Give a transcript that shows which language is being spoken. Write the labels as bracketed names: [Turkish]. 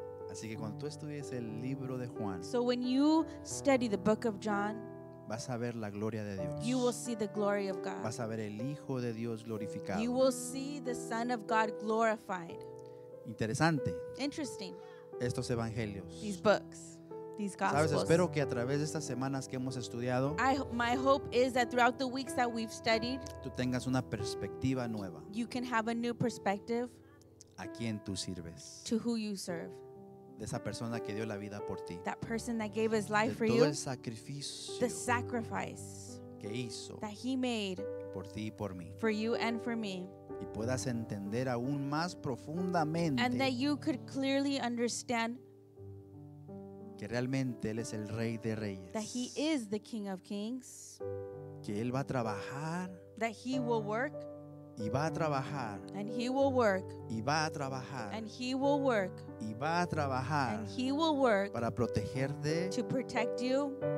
[Spanish] Así que cuando tú estudies el libro de Juan, [English] so when you study the book of John, [Spanish] vas a ver la gloria de Dios. [English] You will see the glory of God. [Spanish] Vas a ver el Hijo de Dios glorificado. [English] You will see the Son of God glorified. [Spanish] Interesante. [English] Interesting. [Spanish] Estos evangelios. [English] These books. These gospels. [Spanish] Sabes, espero que a través de estas semanas que hemos estudiado, [English] my hope is that throughout the weeks that we've studied, [Spanish] tú tengas una perspectiva nueva. [English] You can have a new perspective. [Spanish] A quién tú sirves. [English] To who you serve. [Spanish] De esa persona que dio la vida por ti. [English] That person that gave his life for you. [Spanish] De todo el sacrificio. [English] The sacrifice. [Spanish] Que hizo. [English] That he made. [Spanish] Por ti y por mí. [English] For you and for me. [Spanish] Y puedas entender aún más profundamente. [English] And that you could clearly understand. [Spanish] Que realmente él es el rey de reyes. [English] That he is the king of kings. [Spanish] Que él va a trabajar. [English] That he will work. [Spanish] Y va a trabajar. [English] And he will work. [Spanish] Y va a trabajar. [English] And he will work. [Spanish] Y va a trabajar. [English] And he will work. [Spanish] Para protegerte. [English] To protect you.